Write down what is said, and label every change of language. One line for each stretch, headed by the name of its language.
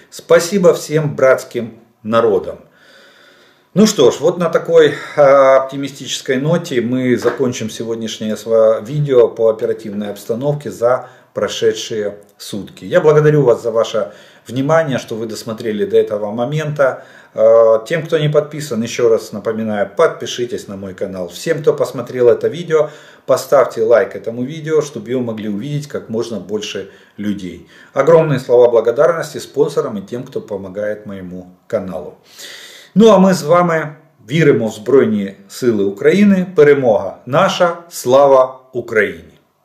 Ukrainian: Спасибо всім братським народам.
Russian: Ну что ж, вот на такой оптимистической ноте мы закончим сегодняшнее видео по оперативной обстановке за прошедшие сутки. Я благодарю вас за ваше внимание, что вы досмотрели до этого момента. Тем, кто не подписан, еще раз напоминаю, подпишитесь на мой канал. Всем, кто посмотрел это видео, поставьте лайк этому видео, чтобы его могли увидеть как можно больше людей. Огромные слова благодарности спонсорам и тем, кто помогает моему каналу. Ну а мы с вами
Ukrainian: веримо в Збройні Сили України. Перемога наша, слава Україні!